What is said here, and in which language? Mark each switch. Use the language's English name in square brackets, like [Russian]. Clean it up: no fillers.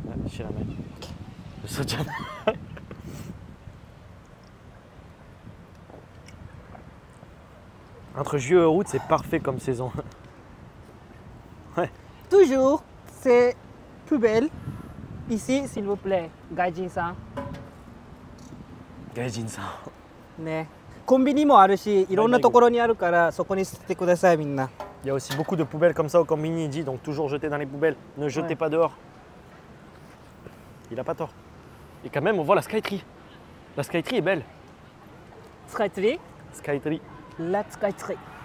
[Japanese] 知らない嘘じゃない [French] entre juillet et août, c'est parfait comme saison ouais toujours, c'est poubelle ici, s'il vous plaît, Gaijin-san [Japanese] Gaijin-san ねコンビニもあるし、いろんなところにあるからそこに捨ててください、みんな [French] Il y a aussi beaucoup de poubelles comme ça au combini, il dit, donc toujours jeter dans les poubelles. Ne jetez ouais. pas dehors. Il n'a pas tort. Et quand même, on voit la Skytree. La Skytree est belle. Skytree? Skytree. La Skytree.